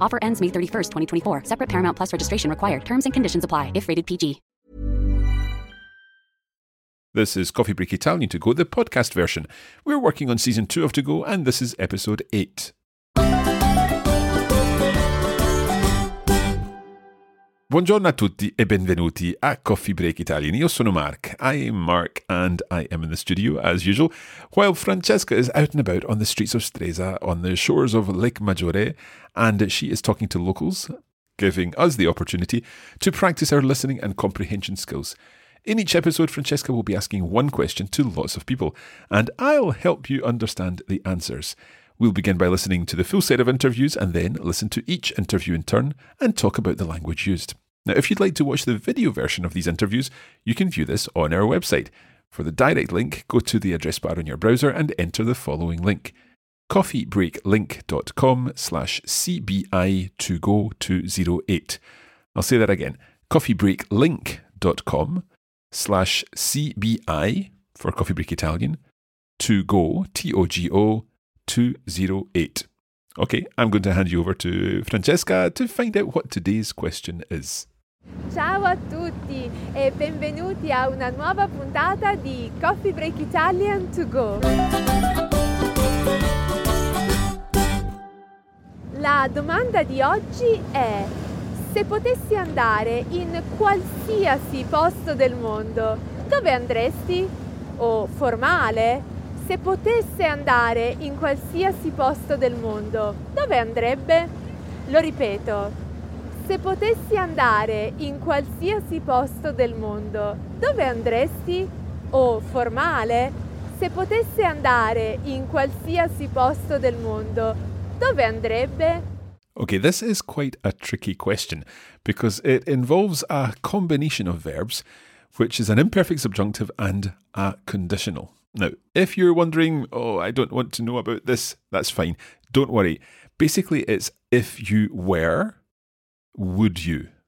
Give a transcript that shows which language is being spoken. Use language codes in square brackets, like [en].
[en] Offer ends May 31st, 2024. Separate Paramount Plus registration required. Terms and conditions apply if rated PG. This is Coffee Break Italian To Go, the podcast version. We're working on season 2 of To Go, and this is episode 8. [it] Buongiorno a tutti e benvenuti a Coffee Break Italian. Io sono Mark. [en] I am Mark, and I am in the studio, as usual, while Francesca is out and about on the streets of Stresa, on the shores of Lake Maggiore, and she is talking to locals, giving us the opportunity to practice our listening and comprehension skills. In each episode, Francesca will be asking one question to lots of people, and I'll help you understand the answers. We'll begin by listening to the full set of interviews and then listen to each interview in turn and talk about the language used. Now, if you'd like to watch the video version of these interviews, you can view this on our website. For the direct link, go to the address bar on your browser and enter the following link. coffeebreaklink.com/CBI2Go208. I'll say that again. coffeebreaklink.com/CBI for Coffee Break Italian to go TOGO208. Okay, I'm going to hand you over to Francesca to find out what today's question is. [it] Ciao a tutti e benvenuti a una nuova puntata di Coffee Break Italian to go. La domanda di oggi è: se potessi andare in qualsiasi posto del mondo, dove andresti? O formale, se potesse andare in qualsiasi posto del mondo, dove andrebbe? Lo ripeto, se potessi andare in qualsiasi posto del mondo, dove andresti? O formale, se potesse andare in qualsiasi posto del mondo, dove andrebbe? [en] Okay, this is quite a tricky question because it involves a combination of verbs, which is an imperfect subjunctive and a conditional. Now, if you're wondering, oh, I don't want to know about this, that's fine. Don't worry. Basically, it's if you were, would you?